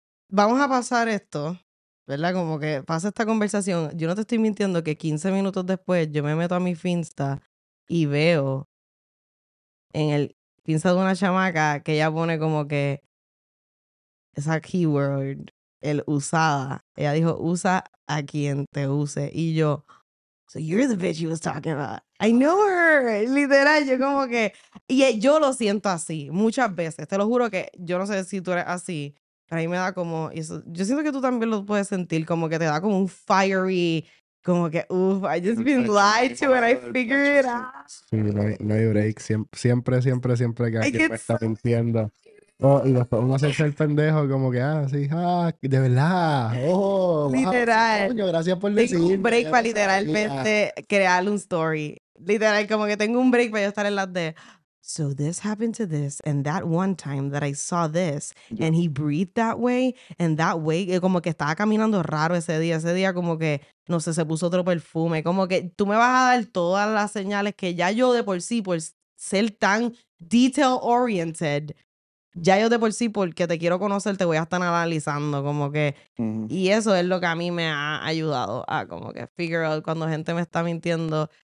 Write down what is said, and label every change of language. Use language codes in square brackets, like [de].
[es] Vamos a pasar esto, ¿verdad? Como que pasa esta conversación. Yo no te estoy mintiendo que 15 minutos después yo me meto a mi Finsta y veo en el Finsta de una chamaca que ella pone como que esa keyword, el usada. Ella dijo, usa a quien te use. Y yo, [en] so you're the bitch he was talking about. I know her. [es] Literal, yo como que... Y yo lo siento así muchas veces. Te lo juro que yo no sé si tú eres así. Pero a mí me da como... Eso, yo siento que tú también lo puedes sentir. Como que te da como un fiery... Como que, uff, [en] I just been lied to and I figured it out. [es] Sí, no hay break. Siempre que alguien me está mintiendo. Oh, y después uno hace el pendejo como que, ah, sí, ah, de verdad. Oh, literal. Wow, gracias por decir. Tengo un break para literalmente crear un story. Literal, como que tengo un break para yo estar en las de... [en] So this happened to this, and that one time that I saw this, yeah, and he breathed that way, [es] and that way, como que estaba caminando raro ese día como que, no sé, se puso otro perfume, como que tú me vas a dar todas las señales que ya yo de por sí, por ser tan detail-oriented, ya yo de por sí, porque te quiero conocer, te voy a estar analizando, como que, y eso es lo que a mí me ha ayudado a como que [en] figure out [es] cuando gente me está mintiendo.